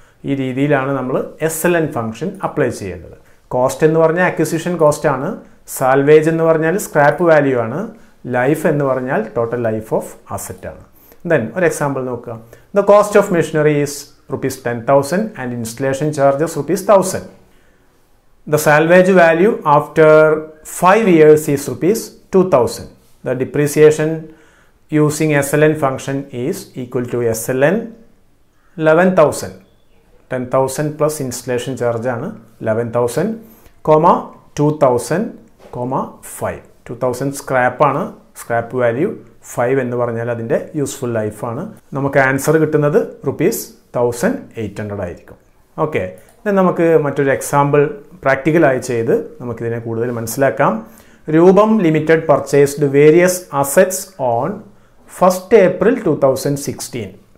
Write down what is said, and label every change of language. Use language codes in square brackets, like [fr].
[ml] ഈ രീതിയിലാണ് നമ്മൾ S L N function apply ചെയ്യേണ്ടത്. കോസ്റ്റ് എന്ന് പറഞ്ഞാൽ അക്വിസിഷൻ കോസ്റ്റ് ആണ്, സാൽവേജ് എന്ന് പറഞ്ഞാൽ സ്ക്രാപ്പ് വാല്യൂ ആണ്, ലൈഫ് എന്ന് പറഞ്ഞാൽ ടോട്ടൽ ലൈഫ് ഓഫ് അസറ്റ് ആണ്. [en] then [ml] ഒരു എക്സാമ്പിൾ നോക്കുക. [en] The cost of machinery is rupees 10,000 and installation charges rupees 1,000. The salvage value after 5 years is rupees 2,000. The depreciation using SLN function is equal to SLN 11,000. 10,000 plus installation charge is 11,000, 2,000, 5. [ml] 2,000 scrap ആണ്, scrap value 5 എന്ന് പറഞ്ഞാൽ അതിൻ്റെ useful life ആണ്. നമുക്ക് answer കിട്ടുന്നത് rupees 1,800 ആയിരിക്കും. Okay, then നമുക്ക് മറ്റൊരു എക്സാമ്പിൾ പ്രാക്ടിക്കലായി ചെയ്ത് നമുക്കിതിനെ കൂടുതൽ മനസ്സിലാക്കാം. [en] Roopam limited purchased various assets on 1st April 2016.